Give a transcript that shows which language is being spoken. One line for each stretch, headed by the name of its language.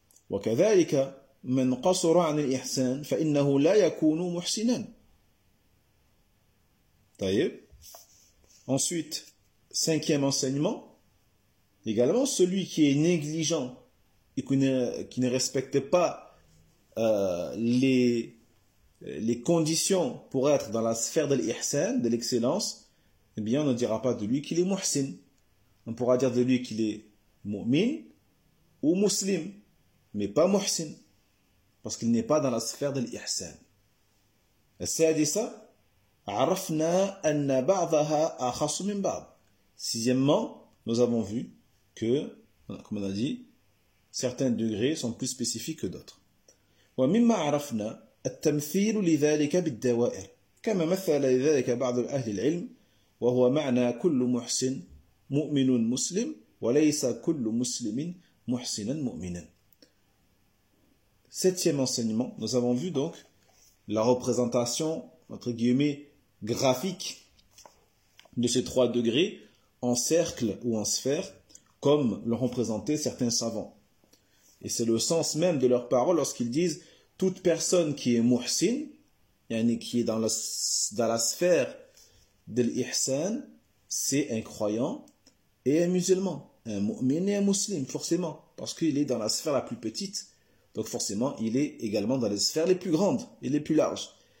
Arabic: وكذلك من قصر عن الإحسان فإنه لا يكون محسنا. طيب.
French: Ensuite, cinquième enseignement, également celui qui est négligent et qui ne respecte pas les conditions pour être dans la sphère de l'Ihsan, de l'excellence, eh bien on ne dira pas de lui qu'il est muhsin. On pourra dire de lui qu'il est mu'min ou muslim. Mais pas muhsin, parce qu'il n'est pas dans la sphère de l'ihsan.
Arabic: Al-sadisa, arafna anna ba'daha akhasu min ba'd.
French: Sixièmement, nous avons vu que, comme on a dit, certains degrés sont plus spécifiques que d'autres.
Arabic: Wa mimma arafna التمثيل لذلك بالدوائر، كما مثل لذلك بعض أهل العلم، وهو معنى كل محسن مؤمن مسلم، وليس كل مسلم محسنا مؤمنا.
French: Septième enseignement, nous avons vu donc la représentation, entre guillemets, graphique de ces trois degrés en cercle ou en sphère, comme l'ont représenté certains savants. Et c'est le sens même de leurs paroles lorsqu'ils disent « Toute personne qui est muhsin, yani qui est dans la sphère de l'ihsan, c'est un croyant et un musulman, un mu'min et un muslim, forcément, parce qu'il est dans la sphère la plus petite. » Donc forcément, il est également dans les sphères les plus grandes et les plus larges.